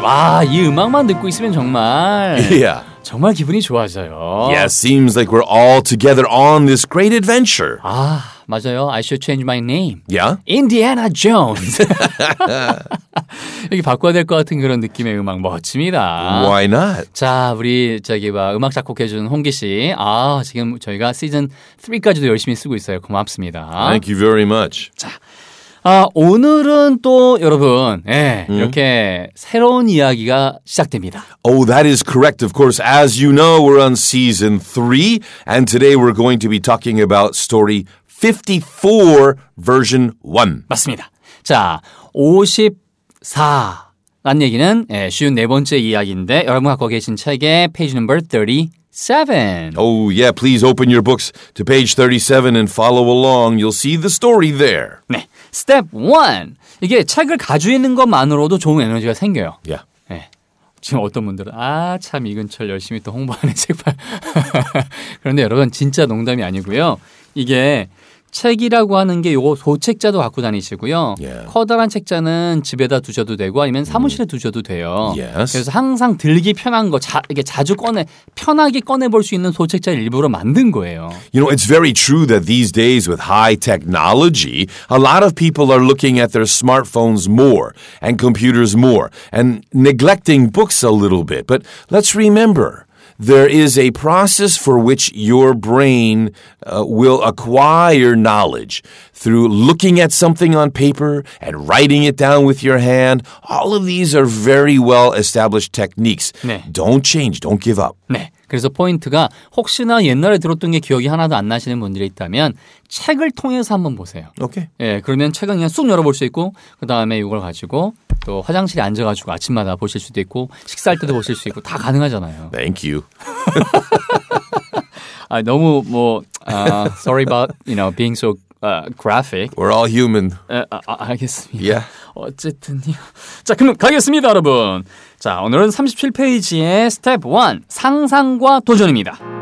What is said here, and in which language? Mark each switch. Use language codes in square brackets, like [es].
[ko] 와, 이 음악만 듣고 있으면 정말 [en] yeah. [ko] 정말 기분이 좋아져요. [en] Yeah, seems like we're all together on this great adventure. [ko] 아, 맞아요. [en] I should change my name. Yeah? Indiana Jones. [ko] 여기 바꿔야 될 것 같은 그런 느낌의 음악 멋집니다. [en] Why not? [ko] 자, 우리 저기 봐 음악 작곡해 준 홍기 씨. 아, 지금 저희가 시즌 3까지도 열심히 쓰고 있어요. 고맙습니다. [en] Thank you very much. [ko] 자. 아, 오늘은 또 여러분, 예, 네, mm-hmm. 이렇게 새로운 이야기가 시작됩니다. [en] Oh, that is correct. Of course, as you know, we're on season 3 and today we're going to be talking about story 54 version 1. [ko] 맞습니다. 자, 54 라는 얘기는 예, 쉬운 네 번째 이야기인데 여러분 갖고 계신 책의 페이지 넘버 37. [en] Oh yeah, please open your books to page 37 and follow along. You'll see the story there. [ko] 네. Step 1. 이게 책을 가지고 있는 것만으로도 좋은 에너지가 생겨요. 예. [en] Yeah. [ko] 지금 어떤 분들은 아, 참 이 근처를 열심히 또 홍보하는 책발. 그런데 여러분 진짜 농담이 아니고요. 이게 책이라고 하는 게 요거 소책자도 갖고 다니시고요. [en] Yeah. [ko] 커다란 책자는 집에다 두셔도 되고 아니면 사무실에 두셔도 돼요. [en] Yes. [ko] 그래서 항상 들기 편한 거 이게 자주 꺼내 편하게 꺼내 볼 수 있는 소책자를 일부러 만든 거예요. [en] You know, it's very true that these days with high technology, a lot of people are looking at their smartphones more and computers more and neglecting books a little bit. But let's remember there is a process for which your brain will acquire knowledge through looking at something on paper and writing it down with your hand. All of these are very well-established techniques. [ko] 네. [en] Don't change. Don't give up. [ko] 네. 그래서 포인트가 혹시나 옛날에 들었던 게 기억이 하나도 안 나시는 분들이 있다면 책을 통해서 한번 보세요. 오케이. 예, 그러면 책은 그냥 쑥 열어볼 수 있고 그다음에 이걸 가지고 또 화장실에 앉아가지고 아침마다 보실 수도 있고 식사할 때도 보실 수 있고 다 가능하잖아요. [en] Thank you. [ko] 아, 너무 뭐 [en] sorry about you know being so graphic. We're all human. [ko] 예, 알겠습니다. [en] Yeah. [ko] 어쨌든요. 자, 그럼 가겠습니다, 여러분. 자, 오늘은 37페이지의 스텝 1, 상상과 도전입니다.